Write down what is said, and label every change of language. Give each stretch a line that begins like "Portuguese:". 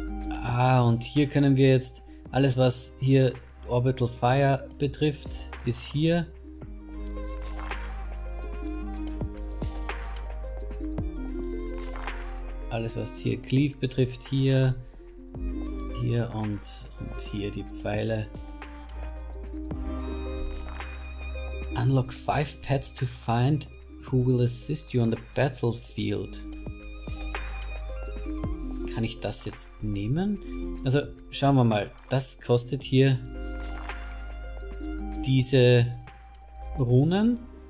German: Ah, und hier können wir jetzt alles, was hier Orbital Fire betrifft, ist hier. Alles, was hier Cleave betrifft, hier und hier die Pfeile.
English: Unlock 5 pets to find who will assist you on the battlefield.
German: Kann ich das jetzt nehmen? Also schauen wir mal, das kostet hier diese Runen.